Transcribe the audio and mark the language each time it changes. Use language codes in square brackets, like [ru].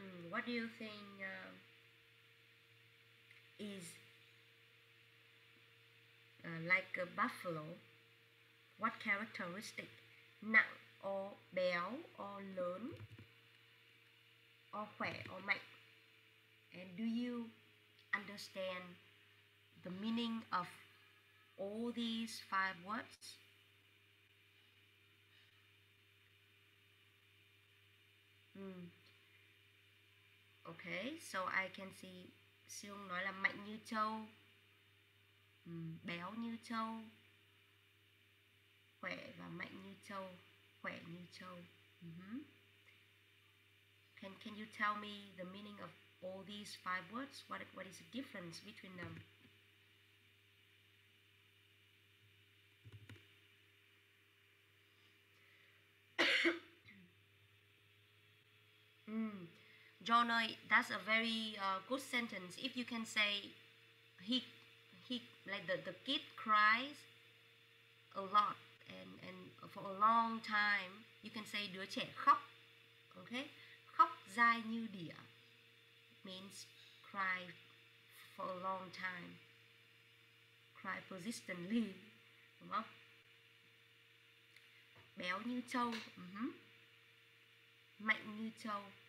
[en] What do you think is like a buffalo? What characteristic? [vi] Nặng or béo or lớn or khỏe or mạnh? [en] And do you understand the meaning of all these five words? Okay, so I can see [vi] Siung nói là mạnh như trâu, béo như trâu, khỏe và mạnh như trâu, khỏe như trâu. [en] Can you tell me the meaning of all these five words? What is the difference between them? John, that's a very good sentence. If you can say, the kid cries a lot and for a long time, you can say [vi] đứa trẻ khóc, [en] okay? [vi] Khóc dài như đĩa [en] means cry for a long time, cry persistently, [vi] đúng không? Béo như trâu, mạnh như trâu.